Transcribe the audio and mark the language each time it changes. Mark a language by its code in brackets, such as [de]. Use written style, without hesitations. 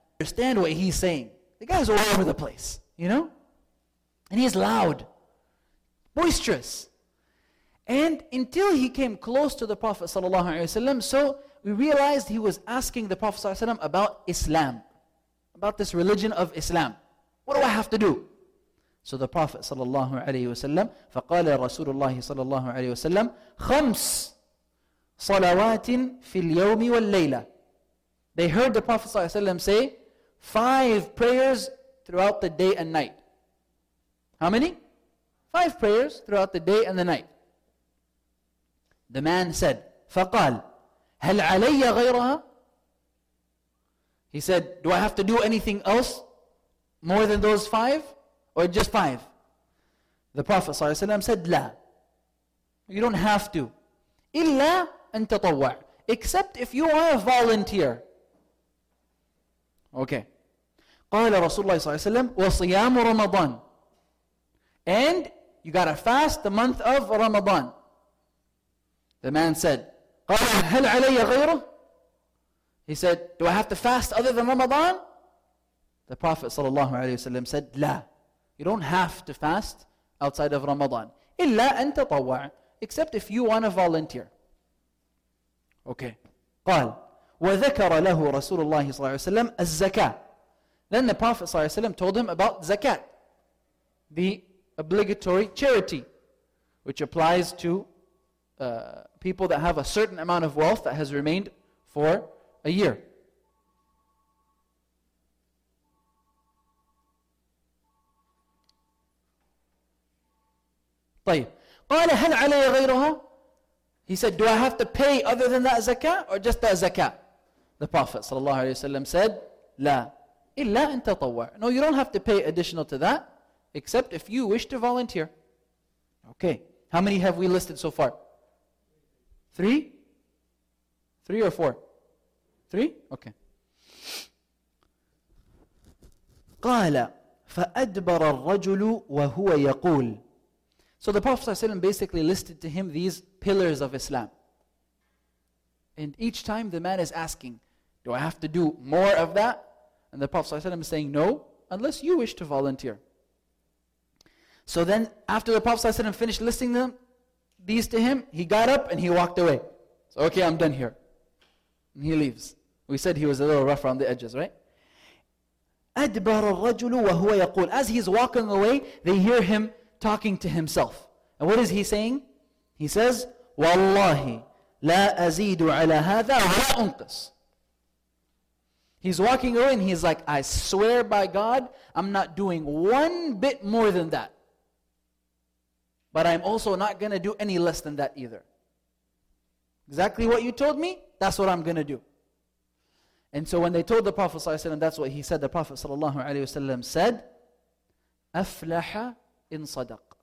[en] Understand what he's saying. The guy's all over the place, you know? And he's loud, boisterous. And until he came close to the Prophet ﷺ, so we realized he was asking the Prophet ﷺ about Islam, about this religion of Islam. What do I have to do? So the Prophet ﷺ, [ar] فَقَالَ رَسُولُ اللَّهِ صَلَى اللَّهُ عَلَيْهِ وَسَلَّمْ خَمْسْ صَلَوَاتٍ فِي الْيَوْمِ وَالْلَّيْلَةِ. [en] They heard the Prophet ﷺ say, 5 prayers throughout the day and night. How many? 5 prayers throughout the day and the night. The man said, [ar] فَقَالْ هَلْ عَلَيَّ غَيْرَهَا. [en] He said, do I have to do anything else more than those 5? Or just 5? The Prophet ﷺ said, لا. You don't have to. [ar] إِلَّا أَن تَطَوَّعْ. [en] Except if you are a volunteer. [ar] Okay. قَالَ رَسُولُ اللَّهِ صَلَّى اللَّهُ عَلَيْهِ وَسَلَّمَ وَصِيَامُ رَمَضَانَ. [en] And you got to fast the month of Ramadan. The man said, [ar] قَالَ هَلْ عَلَيَّ غَيْرُهُ. [en] He said, do I have to fast other than Ramadan? The Prophet صلى الله عليه وسلم said, لا. You don't have to fast outside of Ramadan. [ar] إِلَّا أَن تَطَوَّعْ. [en] Except if you want to volunteer. [ar] Okay. قَالَ وَذَكَرَ لَهُ رَسُولُ اللَّهِ صَلَّى اللَّهُ عَلَيْهِ وَسَلَّمَ الزَّكَاةِ. [en] Then the Prophet صلى الله عليه وسلم told him about zakat, the obligatory charity, which applies to people that have a certain amount of wealth that has remained for a year. [ar] طيب. قَالَ هَلْ عَلَيَّ غَيْرُهَا. [en] He said, do I have to pay other than that zakah or just that zakah? The Prophet ﷺ said, [ar] لَا إِلَّا أَن تَطَوَّعْ. [en] No, you don't have to pay additional to that, except if you wish to volunteer. Okay, how many have we listed so far? 3? 3 or 4? 3? Okay. [ar] قَالَ فَأَدْبَرَ الرَّجُلُ وَهُوَ يَقُولُ. [en] So the Prophet ﷺ basically listed to him these pillars of Islam. And each time the man is asking, do I have to do more of that? And the Prophet ﷺ is saying, no, unless you wish to volunteer. So then after the Prophet ﷺ finished listing them, these to him, he got up and he walked away. So okay, I'm done here. And he leaves. We said he was a little rough around the edges, right? [ar] أَدْبَرَ الرَّجُلُ وَهُوَ يَقُولُ. [en] As he's walking away, they hear him talking to himself. And what is he saying? He says, [ar] وَاللَّهِ لَا أَزِيدُ عَلَى هَذَا وَلَا أُنْقِصُ. [en] He's walking away and he's like, I swear by God, I'm not doing one bit more than that. But I'm also not going to do any less than that either. Exactly what you told me, that's what I'm going to do. And so when they told the Prophet ﷺ, that's what he said, the Prophet ﷺ said, [ar] أَفْلَحَ إِن صَدَقْ.